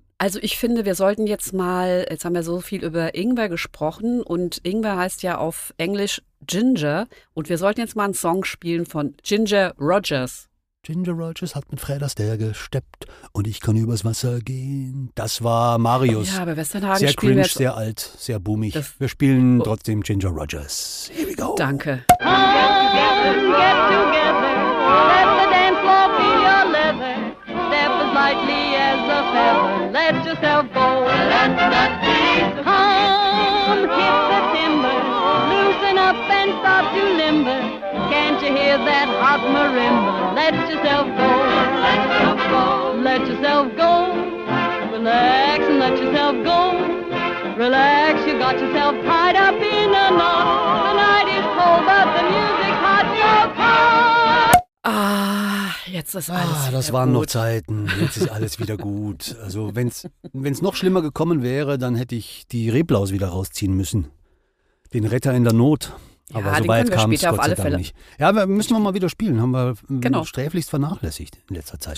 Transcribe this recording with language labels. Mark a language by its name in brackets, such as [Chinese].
[German] Also ich finde, wir sollten jetzt haben wir so viel über Ingwer gesprochen, und Ingwer heißt ja auf Englisch Ginger, und wir sollten jetzt mal einen Song spielen von Ginger Rogers. Ginger Rogers hat mit Fred Astaire gesteppt, und ich kann übers Wasser gehen. Das war Marius. Ja, bei Westernhagen sehr cringe, jetzt sehr alt, sehr boomig. Wir spielen trotzdem Ginger Rogers. [English] Here we go. [German] Danke. [English] Get together, let the dance floor be your leather. Step as lightly as a feather. Let yourself go. Let the come, hit the timber. Loosen up and start to limber. Can't you hear that hot marimba? Let yourself go, let yourself go, relax and let yourself go, relax, you got yourself tied up in a knot, the night is cold but the music hot, you're hot. [German] Ah, jetzt ist alles wieder gut. Das waren noch Zeiten, jetzt ist alles wieder gut. Also wenn's noch schlimmer gekommen wäre, dann hätte ich die Reblaus wieder rausziehen müssen, den Retter in der Not. Aber ja, so weit kam es Gott sei Dank nicht. Ja, müssen wir mal wieder spielen. Haben wir sträflichst vernachlässigt in letzter Zeit.